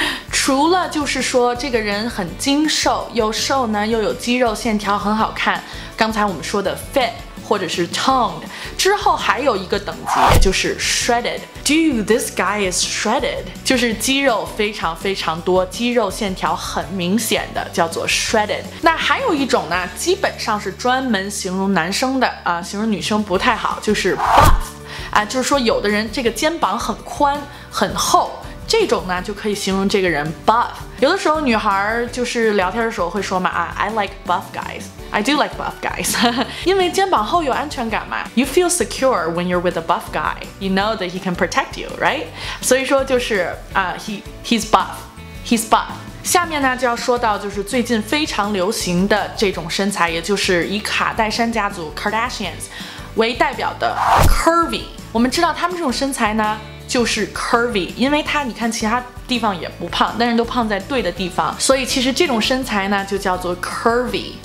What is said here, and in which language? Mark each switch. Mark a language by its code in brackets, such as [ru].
[zh] 除了就是说这个人很精瘦，又瘦呢又有肌肉线条很好看，刚才我们说的 fit 或者是 toned， 之后还有一个等级就是 shredded。 [en] Dude, this guy is shredded. [zh] 就是肌肉非常非常多，肌肉线条很明显的，叫做 shredded. 那还有一种呢，基本上是专门形容男生的啊，形容女生不太好，就是 buff. 啊，就是说有的人这个肩膀很宽很厚，这种呢就可以形容这个人 buff. 有的时候女孩就是聊天的时候会说嘛啊 ， [en] I like buff guys. I do like buff guys. [zh] 因为肩膀厚有安全感嘛。 [en] You feel secure when you're with a buff guy. You know that he can protect you, right? [zh] 所以说就是啊、 [en] he's buff. He's buff. [zh] 下面呢就要说到就是最近非常流行的这种身材，也就是以卡戴珊家族 Kardashians 为代表的 curvy. 我们知道他们这种身材呢。就是 curvy， 因为他你看其他地方也不胖，但是都胖在对的地方，所以其实这种身材呢就叫做 curvy。